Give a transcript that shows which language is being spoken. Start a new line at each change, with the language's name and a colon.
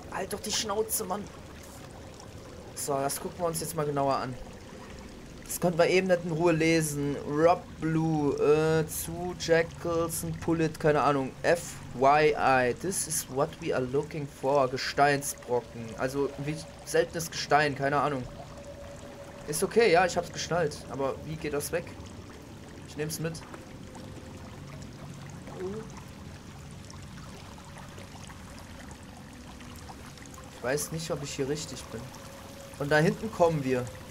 German: Doch die Schnauze, Mann. So, das gucken wir uns jetzt mal genauer an. Das konnten wir eben nicht in Ruhe lesen. Rob Blue zu Jackals und Pullet, keine Ahnung.
English: FYI, this is what we are looking for.
German: Gesteinsbrocken. Also, wie seltenes Gestein, keine Ahnung. Ist okay, ja, ich hab's geschnallt. Aber wie geht das weg? Ich nehm's mit. Ich weiß nicht, ob ich hier richtig bin. Von da hinten kommen wir.